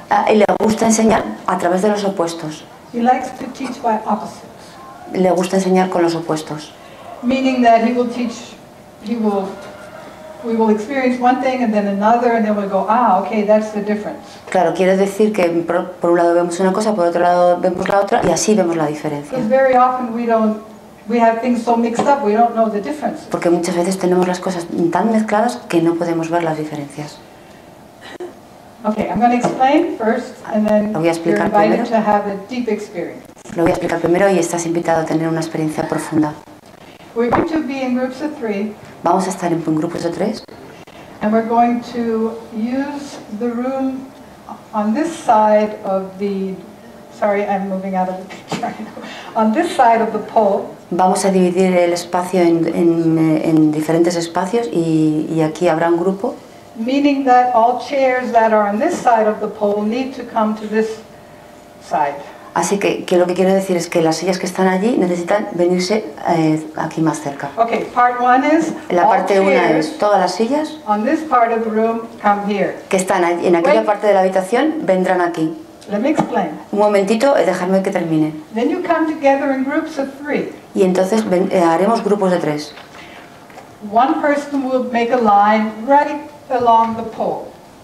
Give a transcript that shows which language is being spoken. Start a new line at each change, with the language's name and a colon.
Spanish: Y le gusta enseñar a través de los opuestos.
English: He likes to teach by opposites.
Spanish: Le gusta enseñar con los opuestos.
English: Meaning that he will teach, we will experience one thing and then another, and then we'll go, okay, that's the difference.
Spanish: Claro, quiere decir que por un lado vemos una cosa, por otro lado vemos la otra, y así vemos la diferencia.
English: Because very often we have things so mixed up, we don't know the difference.
Spanish: Porque muchas veces tenemos las cosas tan mezcladas que no podemos ver las diferencias.
English: Okay, I'm going to explain first, and then
Spanish: lo voy a explicar
English: you're invited
Spanish: primero.
English: To have a deep experience.
Spanish: Lo voy a explicar primero y estás invitado a tener una experiencia profunda.
English: We're going to be in groups of three.
Spanish: Vamos a estar en grupos de tres.
English: And we're going to use the room on this side of the. Sorry, I'm moving out of the picture. On this side of the pole.
Spanish: Vamos a dividir el espacio en diferentes espacios y aquí habrá un grupo.
English: meaning that all chairs that are on this side of the pole need to come to this side.
Spanish: Así que lo que quiero decir es que las sillas que están allí necesitan venirse aquí más cerca.
English: Okay, part one is
Spanish: la parte una es todas las sillas
English: on this part of the room, come here.
Spanish: Que están allí, en aquella parte de la habitación vendrán aquí.
English: Let me explain.
Spanish: Un momentito, dejadme que termine.
English: Then you come together in groups of three.
Spanish: Y entonces haremos grupos de tres.
English: One person will make a line right along the pole.